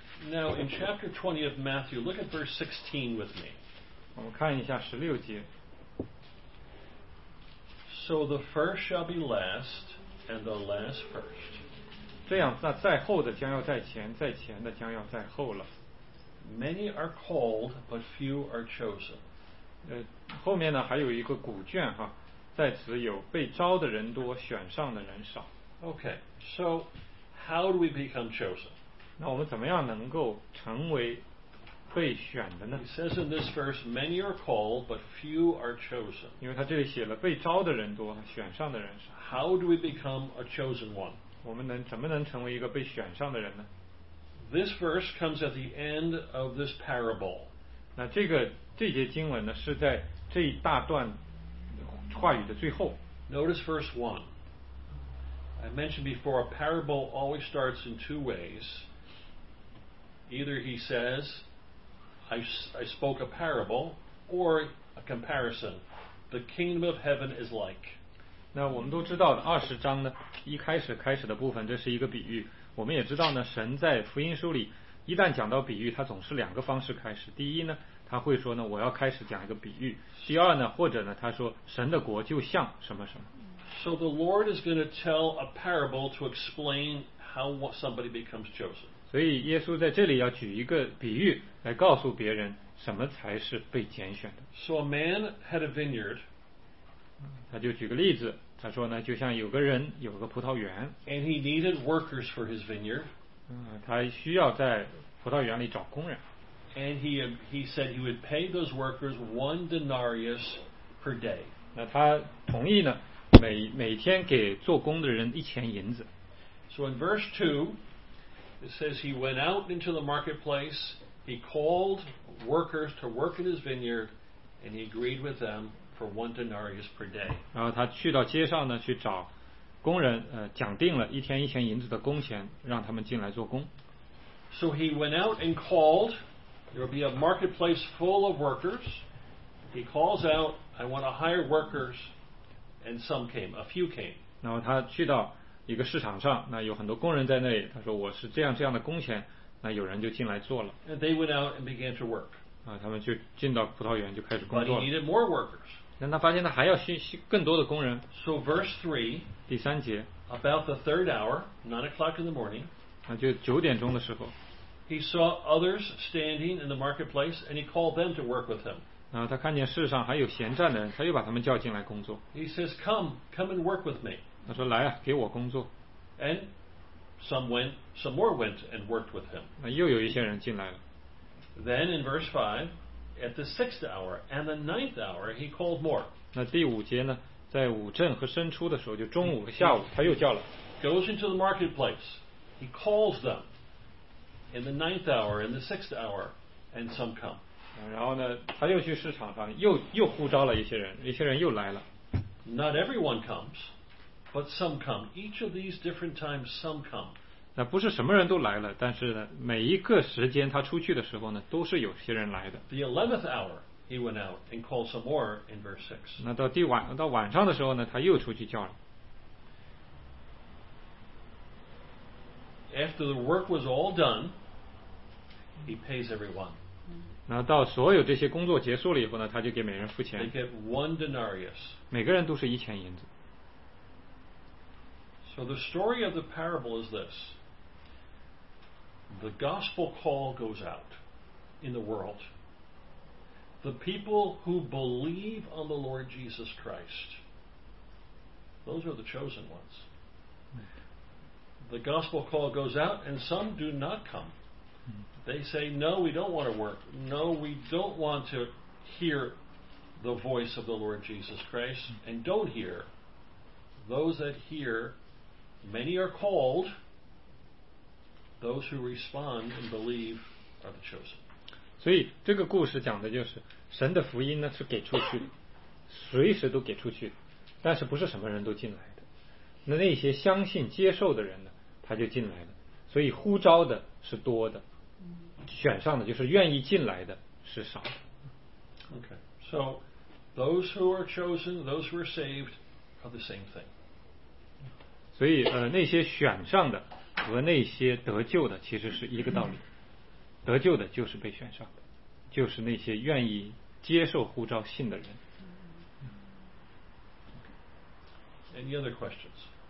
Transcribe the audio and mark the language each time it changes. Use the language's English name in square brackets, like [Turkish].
[English] Now in chapter 20 of Matthew, look at verse 16 with me. [Chinese] 我们看一下十六节。 [English] So the first shall be last, and the last first. [Chinese] 这样，那在后的将要在前，在前的将要在后了。 [English] Many are called, but few are chosen. [Chinese] 后面呢还有一个古卷哈，在此有被招的人多，选上的人少。 [English] Okay, so how do we become chosen? [Chinese] 那我们怎么样能够成为被选的呢？ [English] It says in this verse, many are called, but few are chosen. [Chinese] 因为他这里写了被招的人多，选上的人少。 [English] How do we become a chosen one? [Chinese] 我们能怎么能成为一个被选上的人呢？ [English] This verse comes at the end of this parable. [Chinese] 那这个这节经文呢，是在这一大段话语的最后。 [English] Notice verse 1. I mentioned before, a parable always starts in two ways. Either he says, I spoke a parable, or a comparison. The kingdom of heaven is like. [Chinese] 那我们都知道的，二十章呢，一开始的部分，这是一个比喻。我们也知道呢，神在福音书里，一旦讲到比喻，他总是两个方式开始。第一呢，他会说呢，我要开始讲一个比喻。第二呢，或者呢，他说神的国就像什么什么。 [English] So the Lord is going to tell a parable to explain how somebody becomes chosen. [Chinese] 所以耶稣在这里要举一个比喻来告诉别人什么才是被拣选的。 [English] So a man had a vineyard. [Chinese] 他就举个例子，他说呢，就像有个人有个葡萄园。 [English] And he needed workers for his vineyard. [Chinese] 他需要在葡萄园里找工人。 [English] And he said he would pay those workers one denarius per day. [Chinese] 那他同意呢，每天给做工的人一钱银子。 [English] So in verse 2, it says he went out into the marketplace, he called workers to work in his vineyard, and he agreed with them for one denarius per day. [Chinese] 然后他去到街上呢，去找工人，讲定了一天一钱银子的工钱，让他们进来做工。 [English] So he went out and called, there will be a marketplace full of workers, he calls out, I want to hire workers, and some came, a few came. [Chinese] 然后他去到一个市场上，那有很多工人在那里，他说我是这样这样的工钱，那有人就进来做了。 [English] And they went out and began to work. [Chinese] 他们就进到葡萄园就开始工作了。 [English] But he needed more workers. [Chinese] 那他发现他还要需更多的工人。 [English] So verse 3, [Chinese] 第三节， [English] about the third hour, 9 o'clock in the morning, [Chinese] 那就九点钟的时候， [English] he saw others standing in the marketplace and he called them to work with him. [Chinese] 然后他看见市上还有闲站的人，他又把他们叫进来工作。 [English] He says, come and work with me. [Chinese] 他说来啊，给我工作。 [English] And some more went and worked with him. [Chinese] 那又有一些人进来了。 [English] Then in verse 5, at the sixth hour and the ninth hour, he called more. [Chinese] 那第五节呢，在午正和申初的时候，就中午和下午，他又叫了。 [English] Goes into the marketplace. He calls them in the ninth hour, in the sixth hour, and some come. [Chinese] 然后呢，他又去市场上，又呼召了一些人，一些人又来了。 [English] Not everyone comes, but some come. Each of these different times, some come. [Chinese] 那不是什么人都来了，但是呢，每一个时间他出去的时候呢，都是有些人来的。 [English] The 11th hour, he went out and called some more in verse 6. [Chinese] 那到晚上的时候呢，他又出去叫了。 [English] After the work was all done, he pays everyone. [Chinese] 那到所有这些工作结束了以后呢，他就给每人付钱。 [English] They get one denarius. [Chinese] 每个人都是一钱银子。 [English] So the story of the parable is this: the gospel call goes out in the world. The people who believe on the Lord Jesus Christ, those are the chosen ones. The gospel call goes out, and some do not come. They say, no, we don't want to work. No, we don't want to hear the voice of the Lord Jesus Christ. And don't hear. Those that hear, many are called. Those who respond and believe are the chosen. [Chinese] 所以这个故事讲的就是神的福音呢是给出去的，随时都给出去的，但是不是什么人都进来的。那些相信接受的人呢，他就进来了。所以呼召的是多的。选上的就是愿意进来的是少的。 [English] Okay, so those who are chosen, those who are saved, are the same thing. [Chinese] 所以那些选上的和那些得救的其实是一个道理。得救的就是被选上的，就是那些愿意接受呼召信的人。 [English] Any other questions?